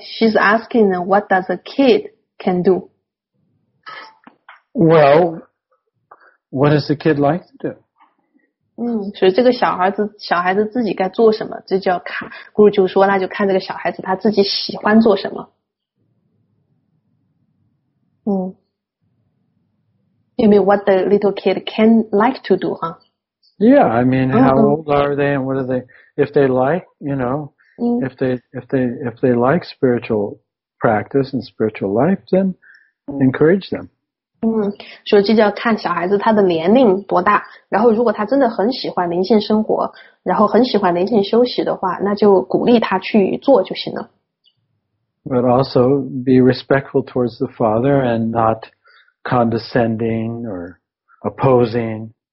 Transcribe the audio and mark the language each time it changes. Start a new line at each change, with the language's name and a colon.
English: She's asking what does a kid can do? Well, what is the kid like to do?
Chinese: 所以这个小孩子自己该做什么，这就要看，Guru就说那就看这个小孩子他自己喜欢做什么。
English: You mean what the little kid can like to do, huh? Yeah, I mean, how old are they and what are they, if they like, you know, if they like spiritual practice and spiritual life, then encourage them.
Chinese: 所以这叫看小孩子他的年龄多大，然后如果他真的很喜欢灵性生活，然后很喜欢灵性休息的话，那就鼓励他去做就行了。
English: But also be respectful towards the father and not condescending or opposing.